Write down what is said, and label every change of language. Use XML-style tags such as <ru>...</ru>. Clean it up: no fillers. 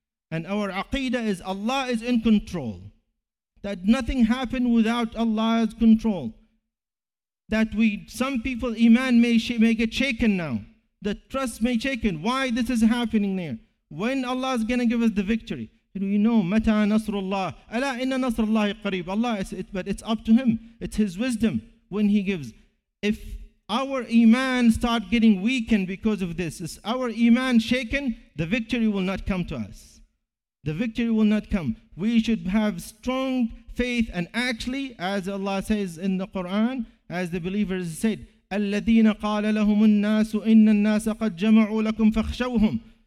<en>And our aqeedah is Allah is in control. That nothing happened without Allah's control. That some people's iman may get shaken now. The trust may shaken. Why this is happening there? When Allah is going to give us the victory? And we know,</en> <ar>مَتَى نَصْرُ اللَّهِ أَلَا إِنَّ نَصْرُ اللَّهِ قَرِيبٌ.</ar> <en>Allah, but it's up to Him. It's His wisdom when He gives. If our iman start getting weakened because of this, is our iman shaken, the victory will not come to us. The victory will not come. We should have strong faith, and actually, as Allah says in the Quran, as the believers said,</en> <ar>الَّذِينَ قَالَ لَهُمُ النَّاسُ إِنَّ النَّاسَ قَدْ جَمَعُوا لَكُمْ فَخْشَوْهُمْ.</ar>